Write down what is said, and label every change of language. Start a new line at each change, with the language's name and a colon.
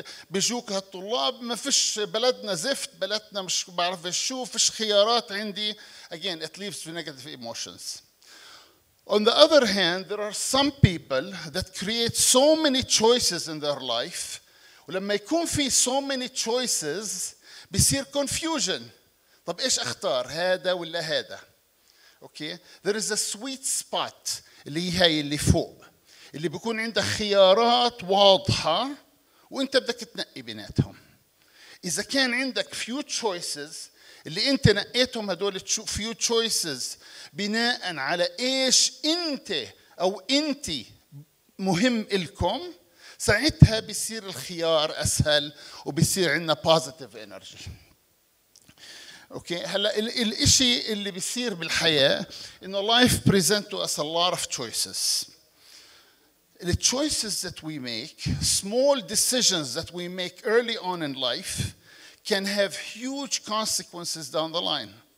Arabic: بيجوك هالطلاب ما فيش، بلدنا زفت، بلدنا مش بعرف شو، فيش خيارات عندي،
English: Again it lives في negative emotions. On the other hand, there are some people that create so many choices in their life.
Arabic: ولما يكون في
English: so many choices
Arabic: بيصير confusion. طب إيش أختار، هذا ولا هذا؟ Okay.
English: There is a sweet spot
Arabic: اللي هي اللي فوق، اللي بيكون عندك خيارات واضحة وأنت بدك تنقي بيناتهم. إذا كان عندك few choices اللي أنت نقيتهم، هدول few choices بناء على إيش أنت أو أنت مهم لكم، ساعتها بيصير الخيار أسهل وبيصير عندنا positive energy. أوكي، هلأ الإشي اللي بيصير بالحياة إنه
English: life present to us a lot of choices. The choices that we make, small decisions that we make early on in life can have huge consequences down the line.